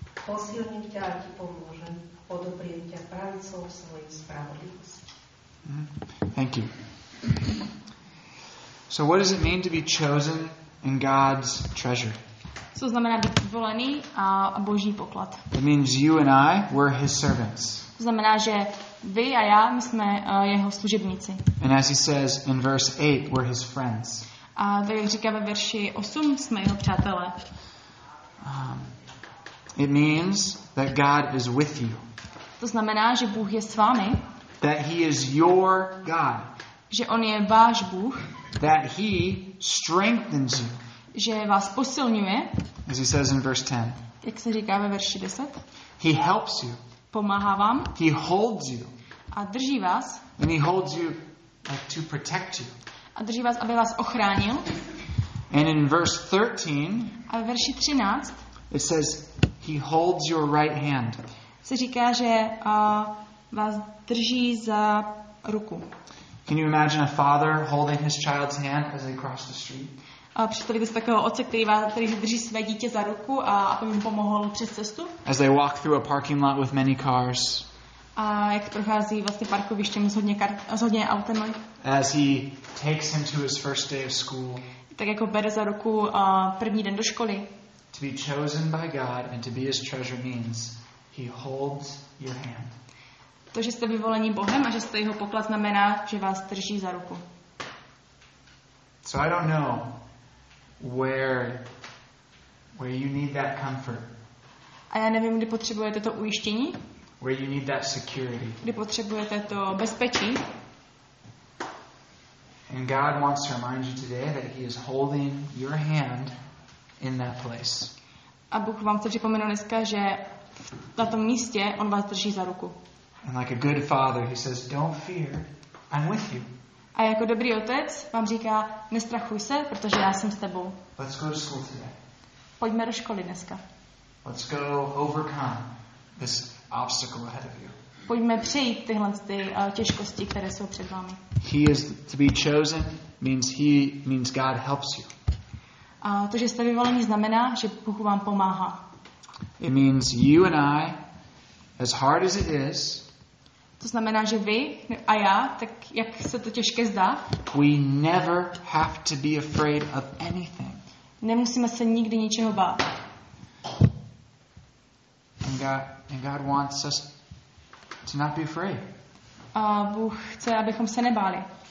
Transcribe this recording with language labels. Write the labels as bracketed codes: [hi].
[sk] Posilním tě a ti pomůžem, odopriem tě pravicou svojí spravodlivosti. [en] Thank you. So what does it mean to be chosen in God's treasure? [cs] Co znamená být vyvolený a Boží poklad? [en] It means you and I were his servants. [cs] To znamená, že vy a já, my jsme jeho služebníci. [en] And as he says in verse 8, we're his friends. [cs] A tak říká ve verši 8, jsme jeho přátelé. [en] It means that God is with you. [cs] To znamená, že Bůh je s vámi. [en] That he is your God. [cs] Že on je váš Bůh. [en] That he strengthens you. [cs] Že vás posilňuje. [en] As he says in verse 10. [cs] Jak se říká ve verši 10. [en] He helps you. [cs] Pomáhá vám. [en] He holds you. [cs] A drží vás. [en] And he holds you like to protect you. [cs] A drží vás, aby vás ochránil. [en] And in verse 13. [cs] A ve verši 13. [en] It says he holds your right hand. [cs] Se říká, že vás drží za ruku. [en] Can you imagine a father holding his child's hand as they cross the street? [cs] A představíte si takového otce, který drží své dítě za ruku a aby mu pomohl přes cestu? [en] As they walk through a parking lot with many cars. [cs] A jak prochází vlastně parkovištěm s hodně autami? [en] As he takes him to his first day of school. [cs] Tak jako bere za ruku první den do školy. [en] To be chosen by God and to be his treasure means he holds your hand. [cs] To, že jste vyvolení Bohem a že jste jeho poklad, znamená, že vás drží za ruku. [en] So I don't know where you need that comfort. [cs] A já nevím, kdy potřebujete to ujištění. [en] Where you need that security. [cs] Kdy potřebujete to bezpečí. [en] And God wants to remind you today that he is holding your hand in that place. [cs] A Bůh vám chce připomenout dneska, že na tom místě on vás drží za ruku. [en] And like a good father, he says, "Don't fear, I'm with you." [cs] A jako dobrý otec vám říká, nestrachuj se, protože já jsem s tebou. [en] Let's go to school today. [cs] Pojďme do školy dneska. [en] Let's go overcome this obstacle ahead of you. [cs] Pojďme přejít tyhle ty těžkosti, které jsou před vámi. [en] He is to be chosen means he means God helps you. [cs] A to, že jste vyvolení, znamená, že Bůh vám pomáhá. [en] It means you and I, as hard as it is, [cs] to znamená, že vy a já, tak jak se to těžké zdá, [en] we never have to be afraid of anything. [cs] Nemusíme se nikdy ničeho bát. [en] And God wants us to not be afraid. [cs] A Bůh chce, abychom se nebáli.